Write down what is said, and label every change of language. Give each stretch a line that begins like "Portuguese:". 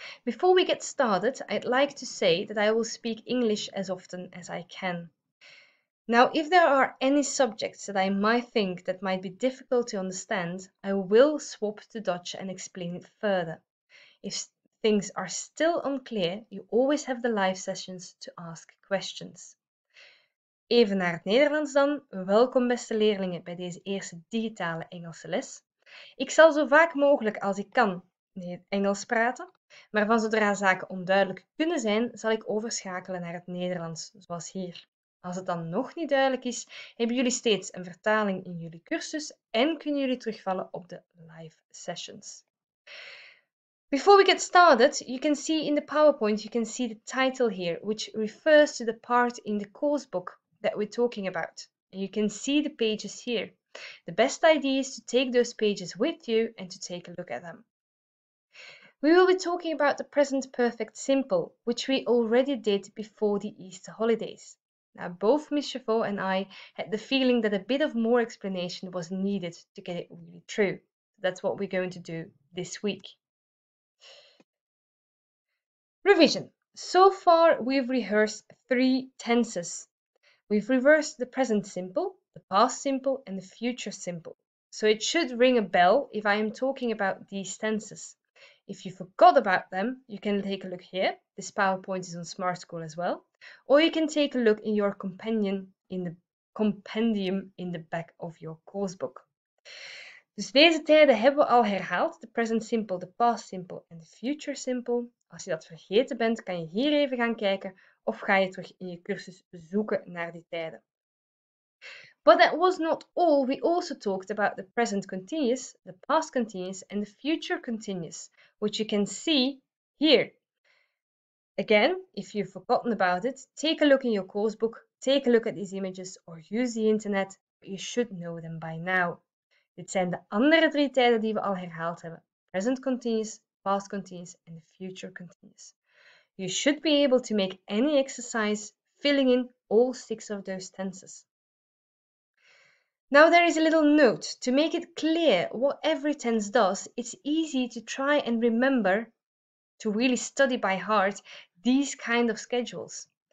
English: Before we get started, I'd like to say that I will speak English as often as I can. Now, if there are any subjects that I might think that might be difficult to understand, I will swap to Dutch and explain it further. If things are still unclear, you always have the live sessions to ask questions.
Dutch: Even naar het Nederlands dan. Welkom beste leerlingen bij deze eerste digitale Engelse les. Ik zal zo vaak mogelijk als ik kan Engels praten, maar van zodra zaken onduidelijk kunnen zijn, zal ik overschakelen naar het Nederlands, zoals hier. Als het dan nog niet duidelijk is, hebben jullie steeds een vertaling in jullie cursus en kunnen jullie terugvallen op de live sessions.
English: Before we get started, you can see in the PowerPoint, you can see the title here, which refers to the part in the course book that we're talking about. And you can see the pages here. The best idea is to take those pages with you and to take a look at them. We will be talking about the present perfect simple, which we already did before the Easter holidays. Now, both Miss Chauveau and I had the feeling that a bit of more explanation was needed to get it really true. That's what we're going to do this week. Revision. So far, we've rehearsed three tenses. We've rehearsed the present simple, the past simple, and the future simple. So it should ring a bell if I am talking about these tenses. If you forgot about them, you can take a look here. This PowerPoint is on Smart School as well. Or you can take a look in your companion in the compendium in the back of your course book.
Dutch: Dus deze tijden hebben we al herhaald.
English: The present simple, the past simple, and the future simple.
Dutch: Als je dat vergeten bent, kan je hier even gaan kijken of ga je terug in je cursus zoeken naar die tijden.
English: But that was not all. We also talked about the present continuous, the past continuous and the future continuous, which you can see here. Again, if you've forgotten about it, take a look in your course book, take a look at these images or use the internet. But you should know them by now.
Dutch: Dit zijn de andere drie tijden die we al herhaald hebben.
English: Present continuous, past continuous and the future continuous. You should be able to make any exercise filling in all six of those tenses. Now there is a little note. To make it clear what every tense does, it's easy to try and remember to really study by heart these kind of schedules.